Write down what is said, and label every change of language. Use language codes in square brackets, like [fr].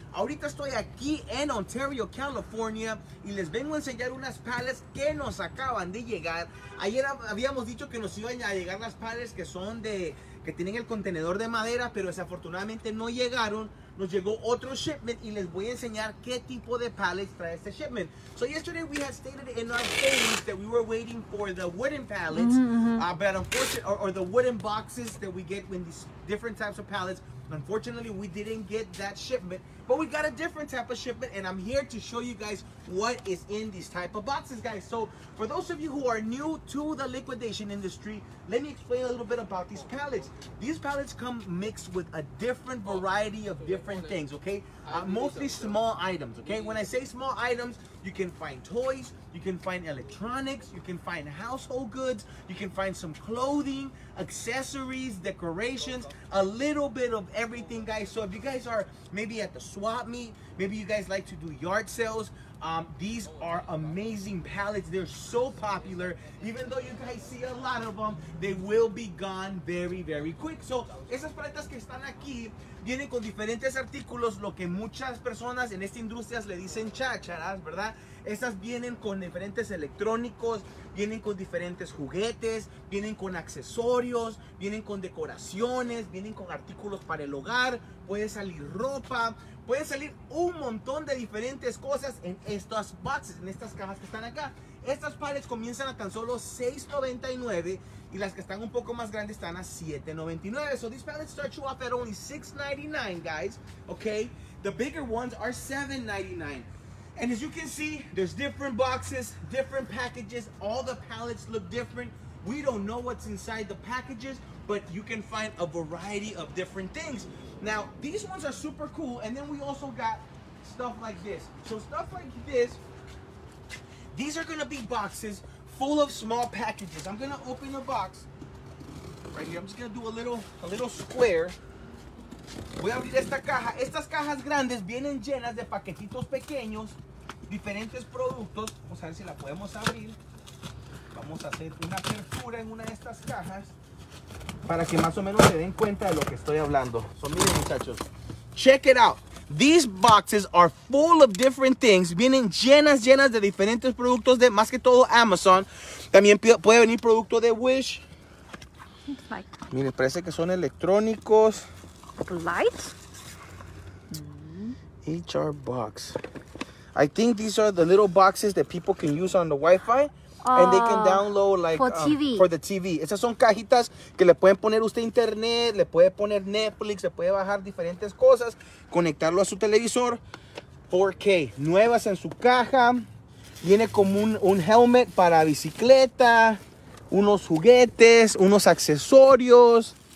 [es] Ahorita estoy aquí en Ontario, California, y les vengo a enseñar unas pallets que nos acaban de llegar. Ayer habíamos dicho que nos iban a llegar las pallets que son de, que tienen el contenedor de madera, pero desafortunadamente no llegaron. Nos llegó otro shipment y les voy a enseñar qué tipo de pallets trae este shipment. [en] So yesterday we had stated in our page that we were waiting for the wooden pallets, but unfortunately, or the wooden boxes that we get when these different types of pallets. Unfortunately, we didn't get that shipment, but we got a different type of shipment, and I'm here to show you guys what is in these type of boxes, guys. So for those of you who are new to the liquidation industry, let me explain a little bit about these pallets. These pallets come mixed with a different variety of different things, okay? Mostly small items, okay? When I say small items, you can find toys, you can find electronics, you can find household goods, you can find some clothing, accessories, decorations, a little bit of everything, guys. So if you guys are maybe at the swap meet, maybe you guys like to do yard sales, these are amazing pallets. They're so popular. Even though you guys see a lot of them, they will be gone very, very quick. [es] So esas paletas que están aquí vienen con diferentes artículos, lo que muchas personas en esta industria le dicen chácharas, ¿verdad? Esas vienen con diferentes electrónicos, vienen con diferentes juguetes, vienen con accesorios, vienen con decoraciones, vienen con artículos para el hogar, puede salir ropa, puede salir un montón de diferentes cosas en estas boxes, en estas cajas que están acá. Estas pallets comienzan a tan solo $6.99 y las que están un poco más grandes están a $7.99. [en] So these pallets start you off at only $6.99, guys, okay? The bigger ones are $7.99. And as you can see, there's different boxes, different packages. All the pallets look different. We don't know what's inside the packages, but you can find a variety of different things. Now, these ones are super cool, and then we also got stuff like this. So stuff like this, these are gonna be boxes full of small packages. I'm gonna open the box right here. I'm just gonna do a little square. [es] Voy a abrir esta caja. Estas cajas grandes vienen llenas de paquetitos pequeños, diferentes productos. Vamos a ver si la podemos abrir. Vamos a hacer una apertura en una de estas cajas para que más o menos se den cuenta de lo que estoy hablando. So, miren, muchachos. [en] Check it out. These boxes are full of different things. [es] Vienen llenas, llenas de diferentes productos de, más que todo, Amazon. También puede venir producto de Wish. Like, miren, parece que son electrónicos. [en] Lights. HR box. I think these are the little boxes that people can use on the Wi-Fi. And they can download, like, for TV. For the TV. [es] Esas son cajitas que le pueden poner usted internet, le puede poner Netflix, le puede bajar diferentes cosas, conectarlo a su televisor. 4K. Nuevas en su caja. Viene como un helmet para bicicleta, unos juguetes, unos accesorios.